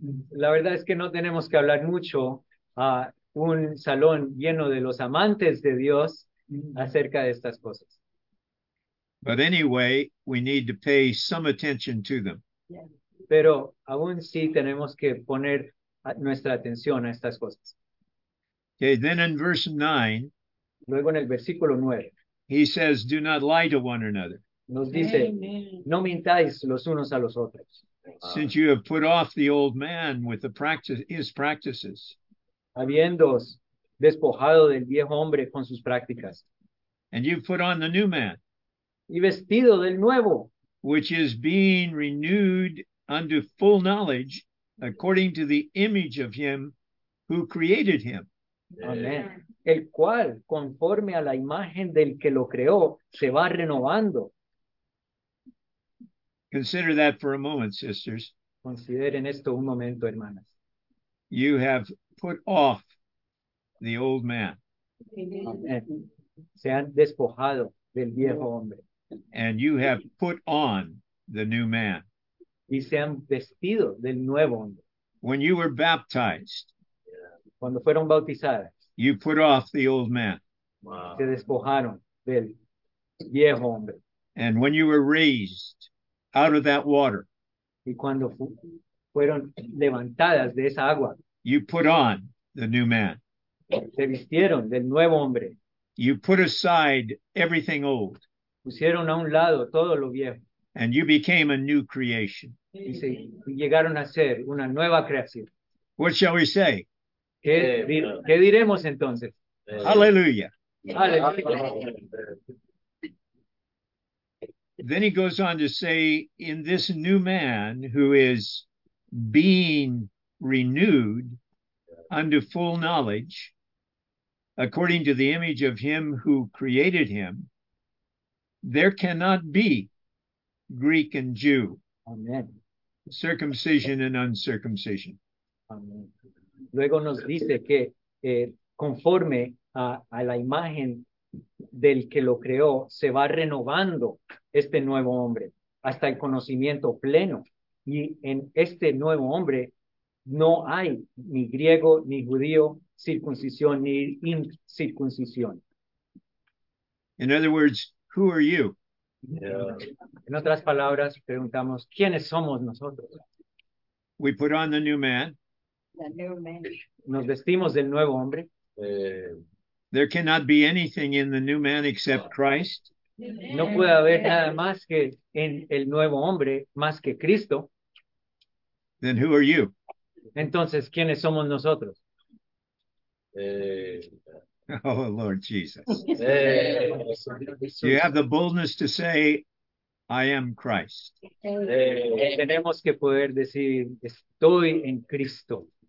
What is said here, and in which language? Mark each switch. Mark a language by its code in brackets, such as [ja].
[es] La verdad es que no tenemos que hablar mucho a un salón lleno de los amantes de Dios acerca de estas cosas. [en] But anyway, we need to pay some attention to them. [es] Pero aún sí tenemos que poner nuestra atención a estas cosas. [en] Okay, then in verse 9, [es] luego en el versículo 9, [en] he says, do not lie to one another. [es] Nos dice, no mintáis los unos a los otros. [en] Since you have put off the old man with the practice, his practices. [es] Habiéndoos despojado del viejo hombre con sus prácticas. [en] And you've put on the new man. [es] Y vestido del nuevo. [en] Which is being renewed unto full knowledge, according to the image of him who created him. [es] Amén. El cual, conforme a la imagen del que lo creó, se va renovando. [en] Consider that for a moment, sisters. [es] Consideren esto un momento, hermanas. [en] You have put off the old man. [es] Amén. Se han despojado del viejo hombre. [en] And you have put on the new man. [es] Y se han vestido del nuevo hombre. [en] When you were baptized, [es] cuando fueron bautizadas, [en] you put off the old man. [es] Wow. Se despojaron del viejo hombre. [en] And when you were raised out of that water, [es] y cuando fueron levantadas de esa agua, [en] you put on the new man. [es] Se vistieron del nuevo hombre. [en] You put aside everything old. [es] Pusieron a un lado todo lo viejo. [en] And you became a new creation. [es] Y se llegaron a ser una nueva creación. [en] What shall we say? [es] ¿Qué diremos entonces? [en] Hallelujah. Hallelujah. Then he goes on to say, in this new man who is being renewed unto full knowledge, according to the image of him who created him, there cannot be Greek and Jew, amen, circumcision and uncircumcision. Amen. [es] Luego nos dice que conforme a la imagen del que lo creó, se va renovando este nuevo hombre hasta el conocimiento pleno. Y en este nuevo hombre no hay ni griego ni judío, circuncisión ni incircuncisión. [en] In other words, who are you? [es] En otras palabras, preguntamos, ¿quiénes somos nosotros? [en] We put on the new man. The new man. [es] Nos vestimos del nuevo hombre. [en] There cannot be anything in the new man except Christ. [es] No puede haber nada más que en el nuevo hombre, más que Cristo. [en] Then who are you? [es] Entonces, ¿quiénes somos nosotros? [en] Oh, Lord Jesus. You have the boldness to say, I am Christ. [es] Tenemos que poder decir, estoy en Cristo.